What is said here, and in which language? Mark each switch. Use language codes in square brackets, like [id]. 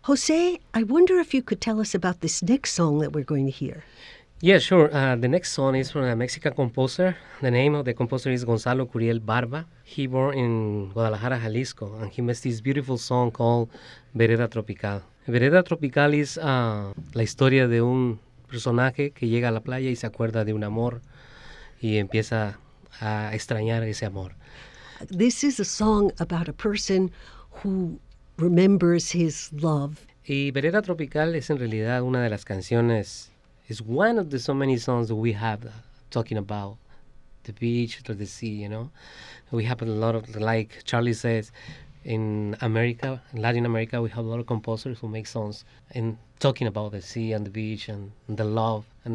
[en] Jose, I wonder if you could tell us about this next song that we're going to hear. Yeah, sure. The next song is from a Mexican composer. The name of the composer is Gonzalo Curiel Barba. He born in Guadalajara, Jalisco, and he makes this beautiful song called Vereda Tropical. [es] Vereda Tropical is la historia de un personaje que llega a la playa y se acuerda de un amor y empieza a extrañar ese amor. [en] This is a song about a person who remembers his love. [es] Y Vereda Tropical es en realidad una de las canciones. [en] It's one of the so many songs that we have talking about the beach or the sea, you know. We have a lot of, like Charlie says, in America, in Latin America, we have a lot of composers who make songs and talking about the sea and the beach and the love.